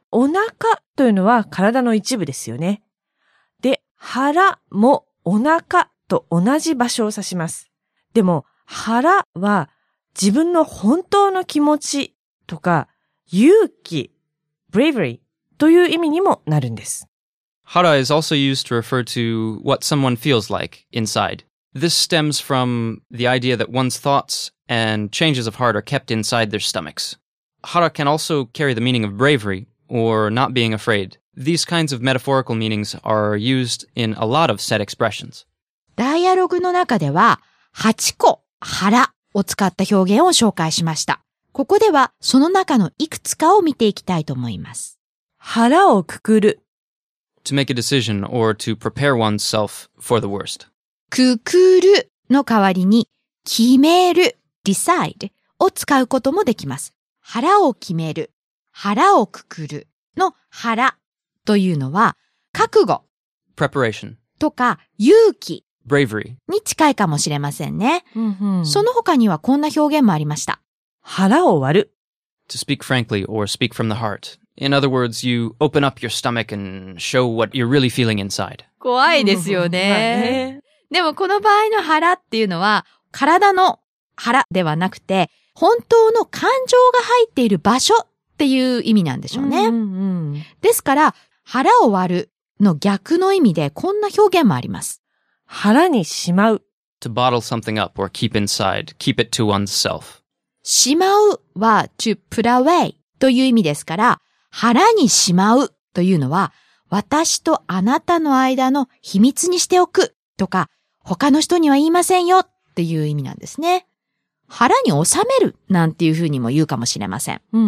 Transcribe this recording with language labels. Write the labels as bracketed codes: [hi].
[ja] お腹というのは体の一部ですよね。で、腹もお腹と同じ場所を指します。でも腹は自分の本当の気持ちとか勇気、bravery という意味にもなるんです。 [en] 腹 is also used to refer to what someone feels like inside. This stems from the idea that one's thoughts and changes of heart are kept inside their stomachs. 腹 can also carry the meaning of bravery or not being afraid. These kinds of metaphorical meanings are used in a lot of set expressions. [ja] ダイアログの中では8個腹を使った表現を紹介しました。ここではその中のいくつかを見ていきたいと思います。腹をくくる。 [en] to make a decision or to prepare oneself for the worst. [ja] くくるの代わりに決める decide を使うこともできます。腹を決める腹をくくるの腹というのは覚悟 [en] preparation [ja] とか勇気 [en] bravery [ja] に近いかもしれませんね。その他にはこんな表現もありました。腹を割る [en] to speak frankly or speak from the heart. In other words, you open up your stomach and show what you're really feeling inside. [ja] 怖いですよね。でもこの場合の腹っていうのは、体の腹ではなくて、本当の感情が入っている場所っていう意味なんでしょうね。ですから、腹を割るの逆の意味でこんな表現もあります。腹にしまう。 [en] To bottle something up or keep inside, keep it to oneself. [ja] しまうは [en] to put away [ja] という意味ですから、腹にしまうというのは、私とあなたの間の秘密にしておくとか、他の人には言いませんよっていう意味なんですね。腹に収めるなんていうふうにも言うかもしれません。